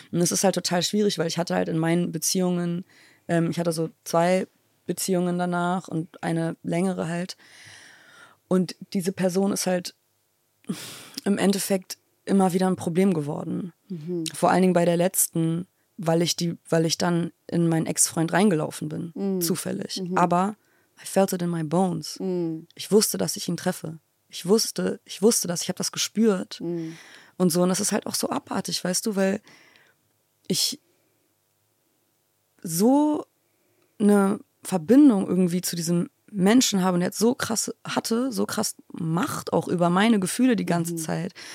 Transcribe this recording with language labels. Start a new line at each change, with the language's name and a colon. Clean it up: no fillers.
German: Und es ist halt total schwierig, weil ich hatte halt in meinen Beziehungen, ich hatte so zwei Beziehungen danach und eine längere halt. Und diese Person ist halt im Endeffekt immer wieder ein Problem geworden. Vor allen Dingen bei der letzten, weil ich dann in meinen Ex-Freund reingelaufen bin, zufällig. Aber
English: I felt it in my bones.
German: Ich wusste, dass ich ihn treffe. Ich wusste das, ich habe das gespürt und so. Und das ist halt auch so abartig, weißt du, weil ich so eine Verbindung irgendwie zu diesem Menschen habe und der jetzt so krass Macht auch über meine Gefühle die ganze Zeit.